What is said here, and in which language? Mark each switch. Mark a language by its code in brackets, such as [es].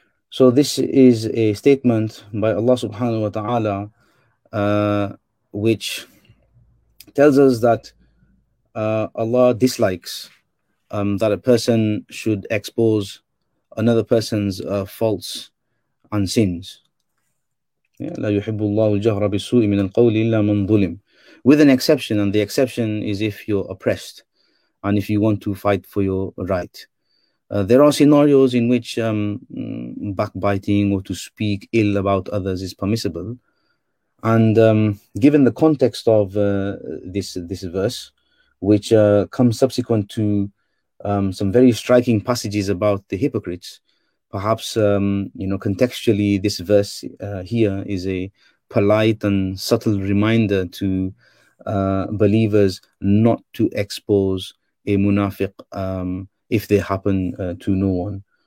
[en] So this is a statement by Allah subhanahu wa ta'ala which tells us that Allah dislikes that a person should expose another person's faults and sins. [ar] لا يحب الله الجهر بالسوء من القول إلا من ظلم. [en] With an exception, and the exception is if you're oppressed and if you want to fight for your right. There are scenarios in which backbiting or to speak ill about others is permissible. And given the context of this verse, which comes subsequent to some very striking passages about the hypocrites, perhaps, contextually, this verse here is a polite and subtle reminder to believers not to expose a munafiq if they happen to know one.